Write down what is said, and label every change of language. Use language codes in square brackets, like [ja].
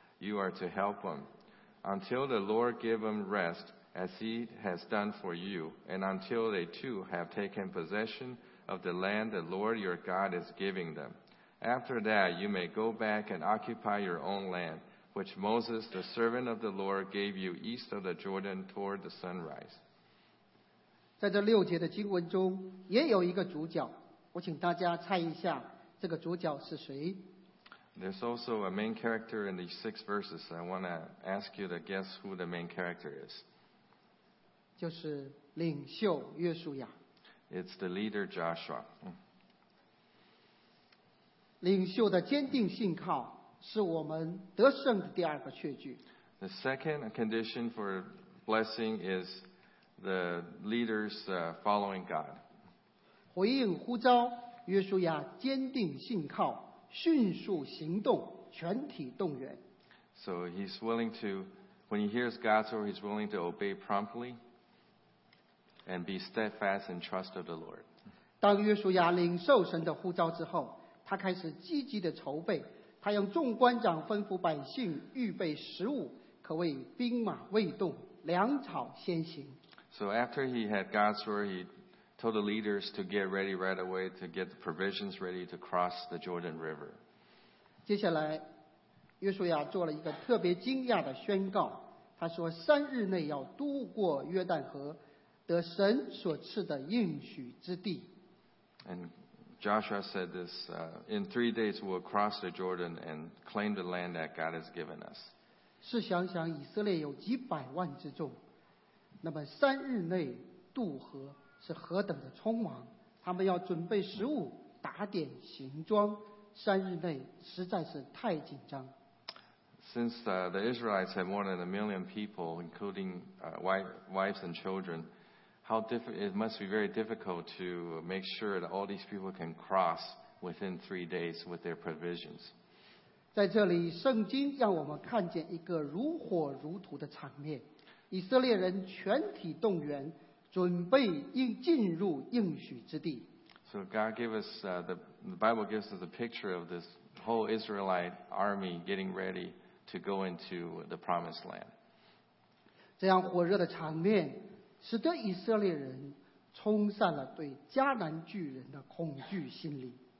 [en] You are to help them until the Lord give them rest, as he has done for you, and until they too have taken possession of the land the Lord your God is giving them. After that, you may go back and occupy your own land, which Moses, the servant of the Lord, gave you east of the Jordan toward the sunrise." [zh] 在这六节的经文中也有一个主角，我请大家猜一下这个主角是谁。 [en] There's also a main character in these six verses. I want to ask you to guess who the main character is. [zh] 就是领袖约书亚。 [en] It's the leader Joshua. [zh] 领袖的坚定信靠是我们得胜的第二个确据。 [en] The second condition for blessing is the leader's following God. [zh] 回应呼召，约书亚坚定信靠，迅速行动，全体动员。 [en] So he's willing to, when he hears God's word, he's willing to obey promptly and be steadfast in trust of the Lord. [zh] 当约书亚领受神的呼召之后，他开始积极的筹备，他用众官长吩咐百姓预备食物，可谓兵马未动，粮草先行。 [en] So after he had God's word, he told the leaders to get ready right away to get the provisions ready to cross the Jordan River. [zh] 接下来，约书亚做了一个特别惊讶的宣告，他说三日内要渡过约旦河，得神所赐的应许之地。 [en] And Joshua said this, in 3 days we'll cross the Jordan and claim the land that God has given us. [zh] 试想想以色列有几百万之众，那么三日内渡河是何等的匆忙，他们要准备食物，打点行装，三日内实在是太紧张。 [en] Since the Israelites had more than 1 million people, including wives and children, it must be very difficult to make sure that all these people can cross within 3 days with their provisions. [zh] 在这里, 圣经让我们看见一个如火如荼的场面。以色列人全体动员, 准备进入应许之地。 [en] So God gave us, the Bible gives us a picture of this whole Israelite army getting ready to go into the promised land. [zh] 这样火热的场面, 使得以色列人充散了对迦南巨人的恐惧心理。